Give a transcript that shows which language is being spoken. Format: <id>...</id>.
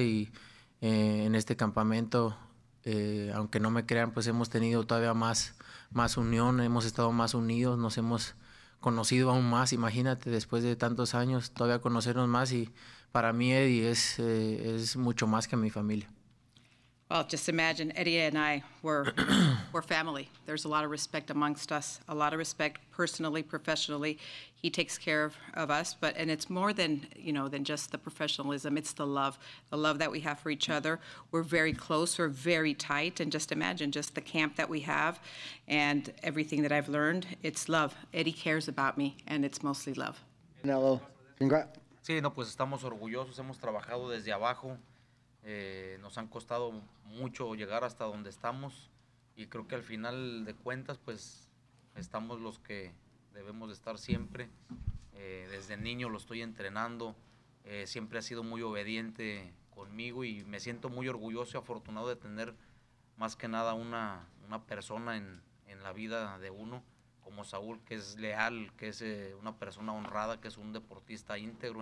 <es>Y en este campamento, aunque no me crean, pues hemos tenido todavía más unión, hemos estado más unidos, nos hemos conocido aún más. Imagínate, después de tantos años, todavía conocernos más. Y para mí, Eddie es mucho más que mi familia.</es> <en>Well, just imagine, Eddie and I, we're family. There's a lot of respect amongst us, a lot of respect personally, professionally. He takes care of us, and it's more than, you know, than just the professionalism. It's the love that we have for each other. We're very close, we're very tight, and just imagine just the camp that we have and everything that I've learned, it's love. Eddie cares about me, and it's mostly love. Canelo, congrats.</en> <es>Sí, no, pues estamos orgullosos, hemos trabajado desde abajo. Nos han costado mucho llegar hasta donde estamos y creo que al final de cuentas pues estamos los que debemos de estar siempre. Desde niño lo estoy entrenando, siempre ha sido muy obediente conmigo y me siento muy orgulloso y afortunado de tener más que nada una persona en la vida de uno como Saúl, que es leal, que es una persona honrada, que es un deportista íntegro.</es>